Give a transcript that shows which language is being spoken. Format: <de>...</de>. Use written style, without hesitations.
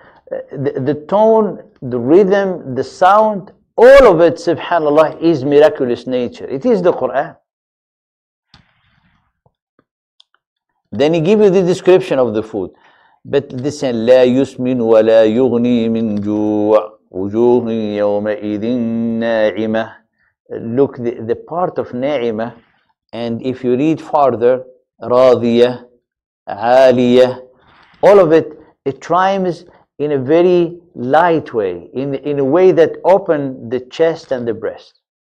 <en>The tone, the rhythm, the sound, all of it, subhanAllah, is miraculous nature. It is the Qur'an. Then he gives you the description of the food. But listen,</en> <ar>لا يسمن ولا يغني من جوع وجوه يومئذ ناعمة.</ar> <en>Look, the part of ناعمة, and if you read farther, راضية, عالية, all of it, it rhymes in a very light way, in a way that open the chest and the breast.</en>